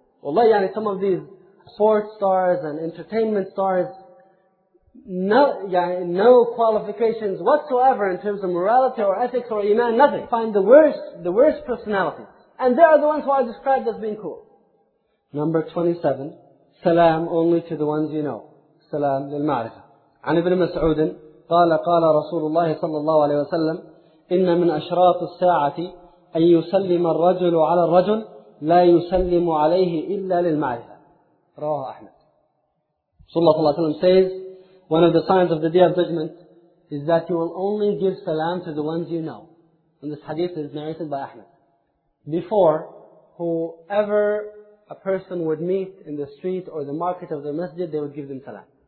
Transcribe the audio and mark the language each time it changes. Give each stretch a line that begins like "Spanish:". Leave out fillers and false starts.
English: Wallahi, yani some of these sports stars and entertainment stars, no qualifications whatsoever in terms of morality or ethics or iman, nothing. Find the worst personalities. And they are the ones who are described as being cool. Number 27, salam only to the ones you know.
Arabic: سلام للمعرفة. عن ابن مسعود قال رسول الله صلى الله عليه وسلم إن من أشراط الساعة أن يسلم الرجل على الرجل لا يسلم عليه إلا للمعرفة. رواه أحمد. صلى الله عليه وسلم
English: says, one of the signs of the day of judgment is that you will only give salam to the ones you know. And this hadith is narrated by Ahmed. Before, whoever a person would meet in the street or the market of the masjid, they would give them salam.